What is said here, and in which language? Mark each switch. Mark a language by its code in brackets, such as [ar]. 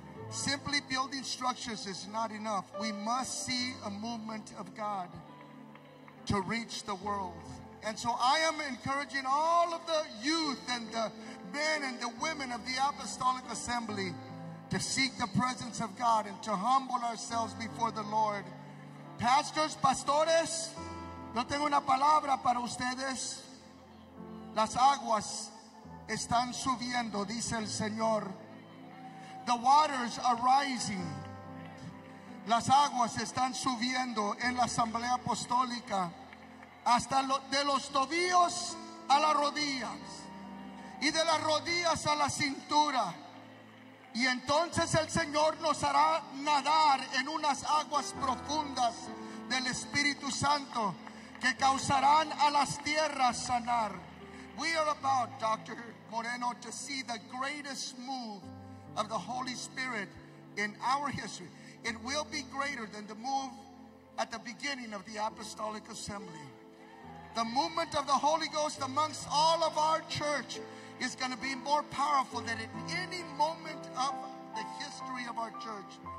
[en] Simply building structures is not enough. We must see a movement of God to reach the world. And so I am encouraging all of the youth and the men and the women of the Apostolic Assembly to seek the presence of God and to humble ourselves before the Lord. [es] Pastors, pastores, yo tengo una palabra para ustedes. Las aguas están subiendo, dice el Señor. [en] The waters are rising. [es] Las aguas están subiendo en la Asamblea Apostólica. Hasta de los tobillos a las rodillas y de las rodillas a la cintura, y entonces el Señor nos hará nadar en unas aguas profundas del Espíritu Santo que causarán a las tierras sanar. [en] We are about, Dr. Moreno, to see the greatest move of the Holy Spirit in our history. It will be greater than the move at the beginning of the Apostolic Assembly. The movement of the Holy Ghost amongst all of our church is going to be more powerful than at any moment of the history of our church.